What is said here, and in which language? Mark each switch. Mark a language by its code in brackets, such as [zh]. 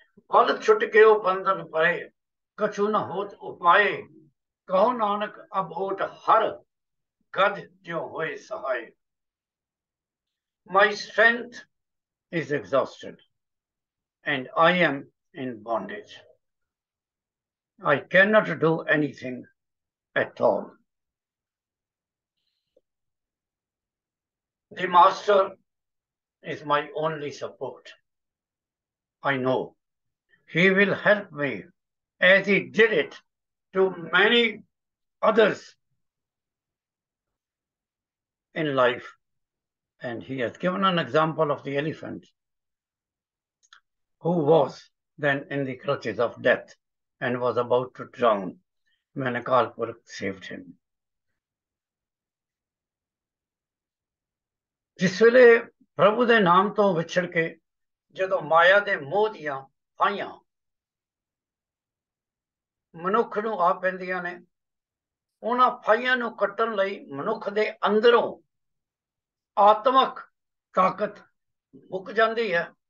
[pa] ਬਲ ਛੁੱਟ ਕੇ ਉਹ ਬੰਧਨ ਪਏ, ਕਛੂ ਨਾ ਹੋਤ ਉਪਾਏ, ਕਹੋ ਨਾਨਕ ਅਬੋਟ ਹਰ ਗਦ ਜਿਉ ਹੋਏ ਸਹਾਏ। [en] My strength is exhausted and I am in bondage, I cannot do anything at all. The master is my only support. I know he will help me as he did it to many others in life. And he has given an example of the elephant who was then in the clutches of death and was about to drown when Akal Purakh saved him. [pa] ਜਿਸ ਵੇਲੇ ਪ੍ਰਭੂ ਦੇ ਨਾਮ ਤੋਂ ਵਿਛੜ ਕੇ ਜਦੋਂ ਮਾਇਆ ਦੇ ਮੋਹ ਦੀਆਂ ਫਾਹੀਆਂ ਮਨੁੱਖ ਨੂੰ ਆ ਪੈਂਦੀਆਂ ਨੇ, ਉਹਨਾਂ ਫਾਹੀਆਂ ਨੂੰ ਕੱਟਣ ਲਈ ਮਨੁੱਖ ਦੇ ਅੰਦਰੋਂ ਆਤਮਕ ਤਾਕਤ ਮੁੱਕ ਜਾਂਦੀ ਹੈ,